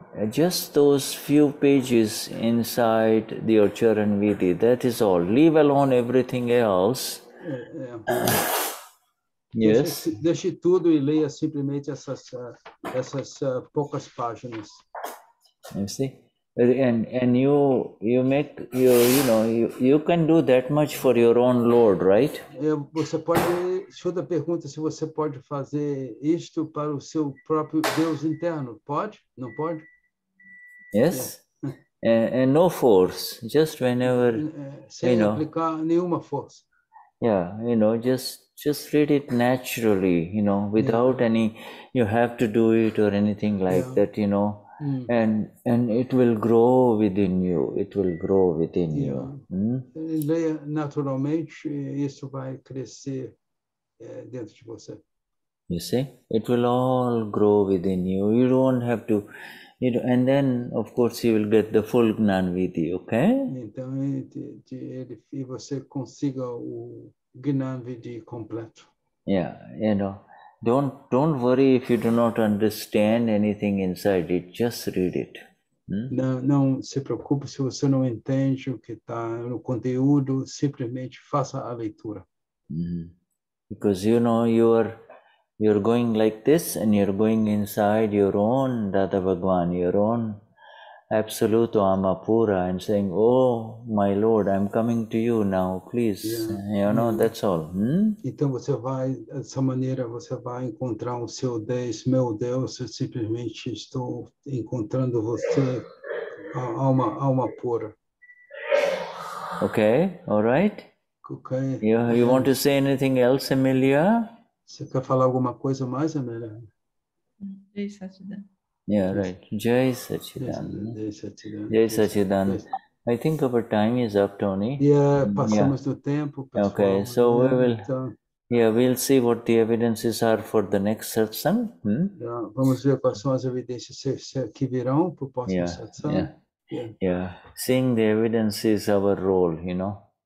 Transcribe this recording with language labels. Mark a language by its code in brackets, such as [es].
[en] Just those few pages inside the Acharan Vidhi, that is all. Leave alone everything else. Yes? [pt] Deixe tudo e leia simplesmente essas poucas páginas. [en] You see? And you make, you know, you can do that much for your own Lord, right? [pt] Você pode, Shuddha pergunta se você pode fazer isto para o seu próprio Deus interno. Pode? Não pode? [en] Yes? Yeah. And no force, just whenever, [pt] sem, [en] you know. [pt] Aplicar nenhuma força. [en] Yeah, you know, just read it naturally, you know, without any, you have to do it or anything like that, you know. Mm. And it will grow within you, it will grow within you. [pt] Leia naturalmente, isso vai crescer dentro de você. [en] You see? It will all grow within you. You don't have to, you know, and then, of course, you will get the full Gnan Vidhi, okay? [pt] Então, e você consiga o Gnan Vidhi completo. [en] Yeah, you know, don't worry if you do not understand anything inside it. Just read it. [pt] Não se preocupe se você não entende o que está no conteúdo. Simplesmente faça a leitura. [en] Because, you know, you're going like this, and you're going inside your own Dada Bhagwan, your own Absolute Amapura, and saying, oh, my Lord, I'm coming to you now, please. Yeah. You know, that's all. [pt] Então, você vai, dessa maneira, você vai encontrar o seu Deus, meu Deus, eu simplesmente estou encontrando você, alma pura. [en] Okay, all right. Okay. You want to say anything else, Emilia? [pt] Você quer falar alguma coisa mais, Amélia? [gu] Jai Satchidan. [en] Yeah, right. Jai Satchidan. [gu] Jai Satchidan. [en] Jai Satchidan. I think our time is up, Tony. [pt] Yeah, passamos do tempo. Pessoal. [en] Okay, so we will. [pt] Então, [en] we'll see what the evidences are for the next satsang. [pt] Vamos ver quais são as evidências que virão para o próximo satsang. [en] Seeing the evidence is our role, you know.